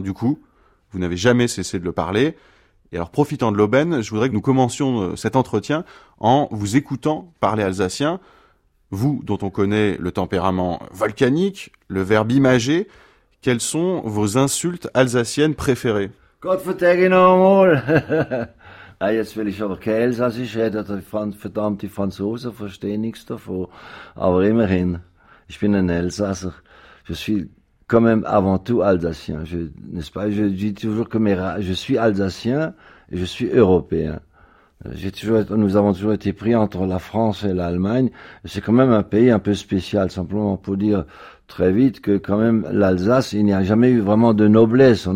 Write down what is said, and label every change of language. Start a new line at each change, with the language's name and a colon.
French: Du coup, vous n'avez jamais cessé de le parler. Et alors, profitant de l'aubaine, je voudrais que nous commencions cet entretien en vous écoutant parler alsacien. Vous, dont on connaît le tempérament volcanique, le verbe imagé, quelles sont vos insultes alsaciennes préférées ?
German: Gott vertegen amol. Ah, jetzt will ich aber Kälsassisch reden, verdammt, die Franzosen verstehen nichts davon. Aber immerhin, ich bin ein Elsasser.
French: Je suis quand même avant tout alsacien, n'est-ce pas? Je dis toujours que je suis alsacien et je suis européen. Nous avons toujours été pris entre la France et l'Allemagne. C'est quand même un pays un peu spécial, simplement pour dire très vite que quand même l'Alsace, il n'y a jamais eu vraiment de noblesse.